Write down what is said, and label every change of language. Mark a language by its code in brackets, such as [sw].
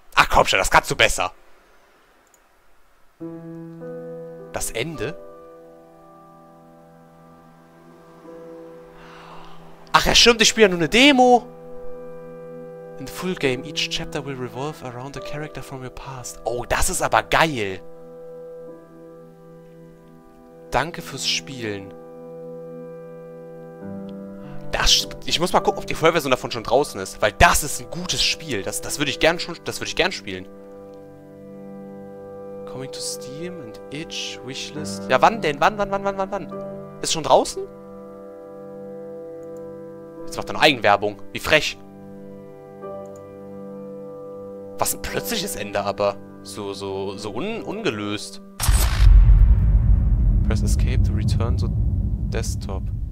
[de] Komm schon, das kannst du besser. Das Ende? Ach ja, stimmt, ich spiele ja nur eine Demo. [en] In the full game, each chapter will revolve around a character from your past. [de] Oh, das ist aber geil. Danke fürs Spielen. Ich muss mal gucken, ob die Vollversion davon schon draußen ist. Weil das ist ein gutes Spiel. Das würde ich gern spielen. [en] Coming to Steam and Itch, Wishlist. [de] Ja, wann denn? Wann? Ist es schon draußen? Jetzt macht er noch Eigenwerbung. Wie frech. Was ein plötzliches Ende aber. So ungelöst. [en] Press Escape to return to Desktop.